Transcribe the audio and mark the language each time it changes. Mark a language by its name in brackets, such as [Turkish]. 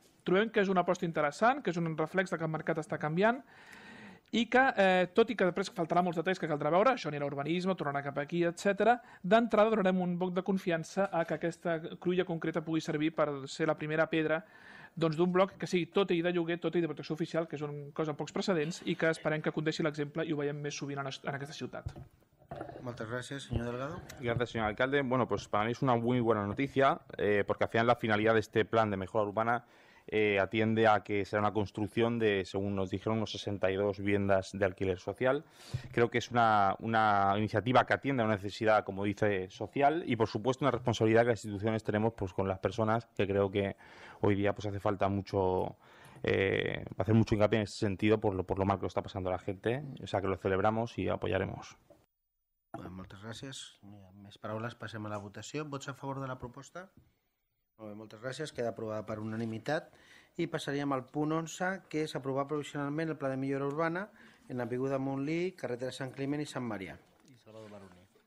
[Catalan] Trobem que és una aposta interessant, que és un reflex de que el mercat està canviant i que, tot i que després faltarà molts detalls que caldrà veure, això anirà a urbanisme, tornarà cap aquí, etc., d'entrada donarem un boc de confiança a que aquesta cruïlla concreta pugui servir per ser la primera pedra d'un bloc que sigui tot i de lloguer, tot i de protecció oficial, que és una cosa amb pocs precedents, i que esperem que condeixi l'exemple i ho veiem més sovint en aquesta ciutat. Moltes gràcies, senyor Delgado. Gràcies, senyor alcalde. [Spanish] Bueno, pues para mí es una muy buena noticia, porque al final la finalidad de este plan de mejora urbana atiende a que será una construcción de, según nos dijeron, unos 62 viviendas de alquiler social. Creo que es una iniciativa que atiende a una necesidad, como dice, social, y por supuesto una responsabilidad que las instituciones tenemos, pues, con las personas, que creo que hoy día, pues, hace falta mucho, hacer mucho hincapié en ese sentido por lo mal que lo está pasando la gente. O sea, que lo celebramos y apoyaremos. [Catalan] Bueno, moltes gràcies. Més paraules, passem a la votació. Vots a favor de la proposta? Molt bé, moltes gràcies. Queda aprovada per unanimitat. I passaríem al punt 11, que és aprovar provisionalment el pla de millora urbana en l'avinguda Montlí, carretera Sant Climent i Sant Marià. I Salvador Baroni.